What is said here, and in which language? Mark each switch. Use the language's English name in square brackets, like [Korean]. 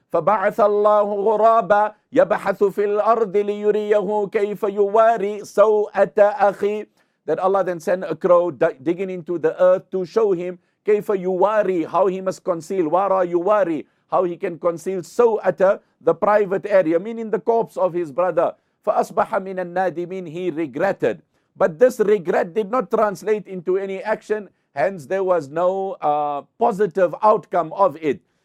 [Arabic] فَبَعَثَ اللَّهُ غُرَابًا يَبَحَثُ فِي الْأَرْضِ لِيُرِيَهُ كَيْفَ يُوَارِي سَوْءَةَ أَخِي. [English] That Allah then sent a crow digging into the earth to show him [Arabic] كَيْفَ يُوَارِي, [English] how he must conceal. [Arabic] وَارَى يُوَارِي, [English] how he can conceal سَوْءَةَ, the private area, meaning the corpse of his brother. [Arabic] فَأَصْبَحَ مِنَ النَّادِمِينَ, [English] he regretted. But this regret did not translate into any action, hence there was no positive outcome of it.